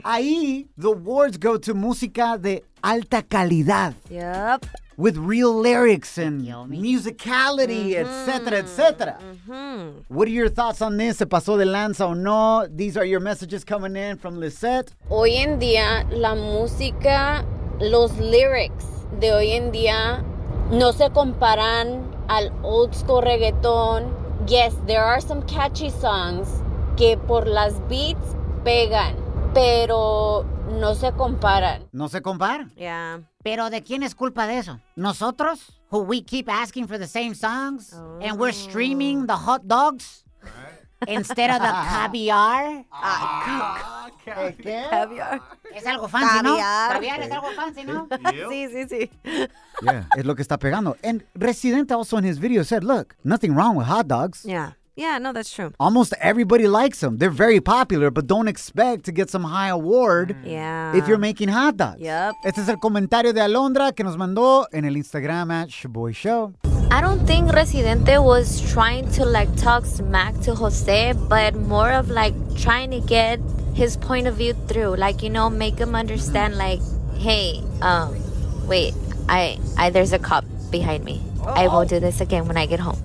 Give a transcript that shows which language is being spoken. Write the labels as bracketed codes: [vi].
[es] Ahí, [en] the awards go to [es] música de alta calidad. [en] Yep. With real lyrics and musicality, etc., etc. What are your thoughts on this? [es] ¿Se pasó de lanza o no? [en] These are your messages coming in from Lisette. [es] Hoy en día, la música, los lyrics de hoy en día, no se comparan al old school reggaeton. [en] Yes, there are some catchy songs [es] que por las beats pegan, pero no se comparan. ¿No se compara? [en] Yeah. [es] ¿Pero de quién es culpa de eso? ¿Nosotros? [en] Who we keep asking for the same songs? Oh. And we're streaming the hot dogs? Instead of the caviar? Caviar. [es] Es algo fancy, ¿no? Caviar es algo fancy, ¿no? Sí, sí, sí. Yeah, es lo que está pegando. [en] And Residente also in his video said, look, nothing wrong with hot dogs. Yeah. Yeah, no, that's true. Almost everybody likes them. They're very popular, but don't expect to get some high award if you're making hot dogs. Yep. [es] Este es el comentario de Alondra que nos mandó en el Instagram at Shaboy Show. [en] I don't think Residente was trying to, like, talk smack to Jose, but more of, like, trying to get his point of view through. Like, you know, make him understand, like, hey, wait, there's a cop behind me. Uh-oh. I will do this again when I get home.